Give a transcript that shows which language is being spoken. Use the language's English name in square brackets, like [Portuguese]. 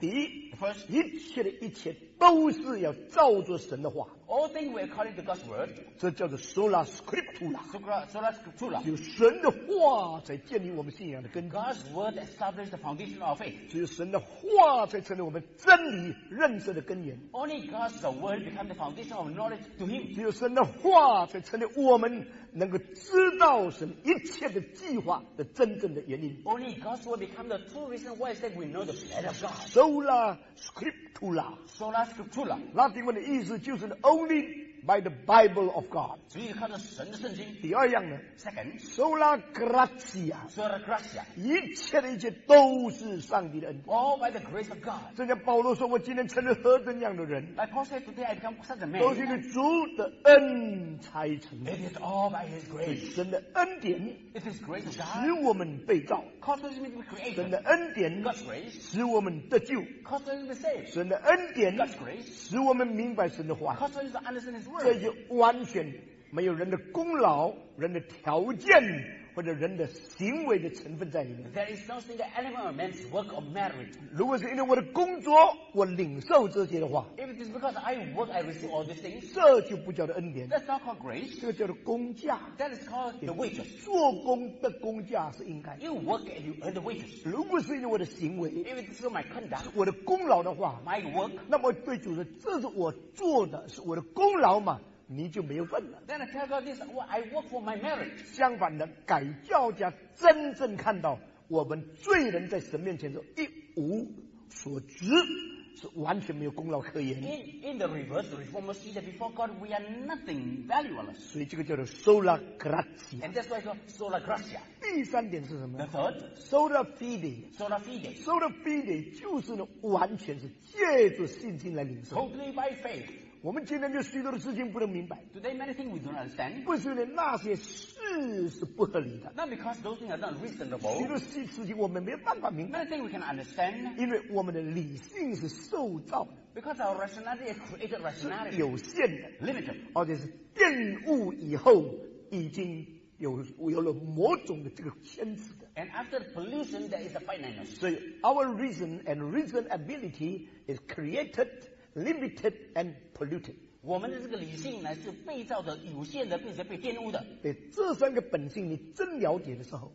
[Chinese] 第一，一切的一切都是要照着神的话。 [English] All things were according to God's word. [Chinese] 这叫做 sola scriptura. [Latin] Sola scriptura. [Chinese] 有神的话才建立我们信仰的根基。 [English] God's word established the foundation of faith. [Chinese] 只有神的话才成为我们真理认识的根源。 [English] Only God's word became the foundation of knowledge to Him. [Chinese] 只有神的话才成为我们能够知道神一切的计划的真正的原因。 [English] Only God's word became the true reason why that we know the plan of God. [Latin] Sola scriptura. Sola scriptura. [Chinese] 拉丁文的意思就是 [English] only by the Bible of God. [Chinese] 所以看到神的圣经。第二样呢 [English] ？Second. [Latin] Sola gratia. Sola gratia. [Chinese] 一切的一切都是上帝的恩典。 [English] All by the grace of God. [Chinese] 正像保罗说：“我今天成了何等样的人 [English] ？”Like Paul said, today I become such a man. [Chinese] 都是因为主的恩才成的。 [English] It is all by His grace. [Chinese] 神的恩典。 [English] It is grace of God. [Chinese] 使我们被造。 [English] Causes me to be created. [Chinese] 神的恩典。 [English] God's grace. [Chinese] 使我们得救。 [English] Causes me to be saved. [Chinese] 神的恩典。 [English] God's grace. [Chinese] 使我们明白神的话。 [English] Causes me to understand His word. [Chinese] 这就完全没有人的功劳、人的条件或者人的行为的成分在里面。 [English] There is no single element of man's work or merit. [Chinese] 如果是因为我的工作，我领受这些的话 [English] ，If it is because I work, I receive all these things. [Chinese] 这就不叫做恩典。 [English] That's not called grace. [Chinese] 这个叫做工价。 [English] That is called the wages. [Chinese] 做工的工价是应该。 [English] You work and you earn the wages. [Chinese] 如果是因为我的行为 [English] ，If it is for my conduct, [Chinese] 我的功劳的话 [English] ，My work. [Chinese] 那么对主说，这是我做的，是我的功劳嘛？你就没有份了。 [English] Then I tell God this, I work for my marriage. [Chinese] 相反的，改教家真正看到我们罪人在神面前是一无所值，是完全没有功劳可言。 [English] In the reverse, the reformer see that before God we are nothing valueless. [Chinese] 所以这个叫做 sola gratia. [English] And that's why it's called sola gratia. [Chinese] 第三点是什么？ [English] The third, [Latin] sola fide. Sola fide. [Chinese] Sola fide 就是呢，完全是借着信心来领受。 [English] Totally by faith. [Chinese] 我们今天就许多的事情不能明白。 [English] Today many things we don't understand. [Chinese] 不是因为那些事是不合理的。 [English] Not because those things are not reasonable. [Chinese] 许多的事情我们没有办法明白。 [English] Many things we can understand. [Chinese] 因为我们的理性是受造的。 [English] Because our rationality is created rationality. [Chinese] 是有限的。 [English] Limited. [Chinese] 而且是玷污以后已经有了某种的这个限制的。 [English] And after pollution there is a finiteness. 所以 our reason and reason ability is created. Limited and polluted. [Chinese] 我们的这个理性呢是被造的有限的，并且被玷污的。对这三个本性，你真了解的时候